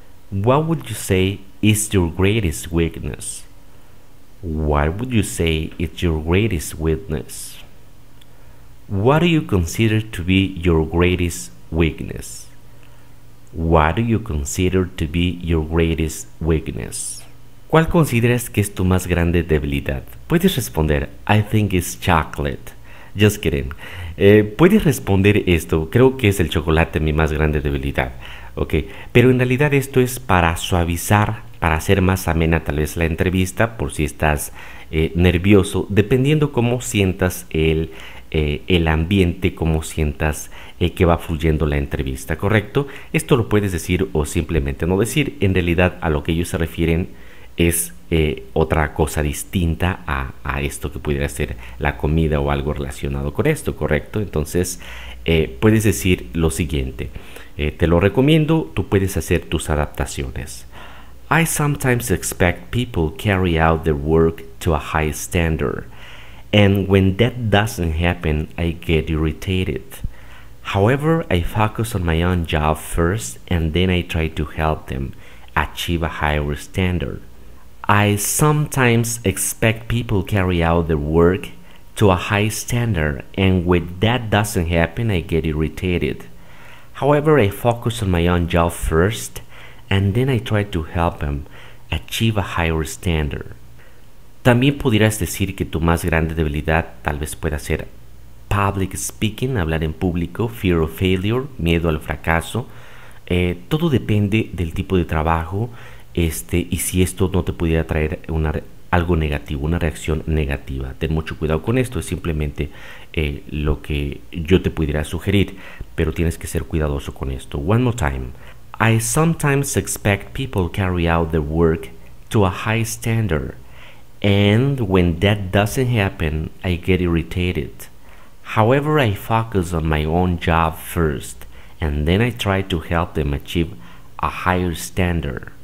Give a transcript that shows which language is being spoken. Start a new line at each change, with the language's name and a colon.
English: What would you say is your greatest weakness? What would you say is your greatest weakness? What do you consider to be your greatest weakness? What do you consider to be your greatest weakness?
Spanish: ¿Cuál consideras que es tu más grande debilidad? Puedes responder,
English: I think it's chocolate. Just kidding.
Spanish: Puedes responder esto, creo que es el chocolate mi más grande debilidad, ok, pero en realidad esto es para suavizar, para hacer más amena tal vez la entrevista, por si estás nervioso, dependiendo cómo sientas el ambiente, cómo sientas que va fluyendo la entrevista, ¿correcto? Esto lo puedes decir o simplemente no decir. En realidad a lo que ellos se refieren es otra cosa distinta a esto que pudiera ser la comida o algo relacionado con esto, ¿correcto? Entonces, puedes decir lo siguiente. Te lo recomiendo, tú puedes hacer tus adaptaciones.
English: I sometimes expect people carry out their work to a high standard. And when that doesn't happen, I get irritated. However, I focus on my own job first and then I try to help them achieve a higher standard. I sometimes expect people carry out their work to a high standard, and when that doesn't happen, I get irritated. However, I focus on my own job first, and then I try to help them achieve a higher standard.
Spanish: También pudieras decir que tu más grande debilidad tal vez pueda ser
English: public speaking,
Spanish: hablar en público,
English: fear of failure,
Spanish: miedo al fracaso. Todo depende del tipo de trabajo. Y si esto no te pudiera traer algo negativo, una reacción negativa, ten mucho cuidado con esto, es simplemente lo que yo te pudiera sugerir, pero tienes que ser cuidadoso con esto.
English: One more time. I sometimes expect people carry out their work to a high standard, and when that doesn't happen, I get irritated. However, I focus on my own job first, and then I try to help them achieve a higher standard.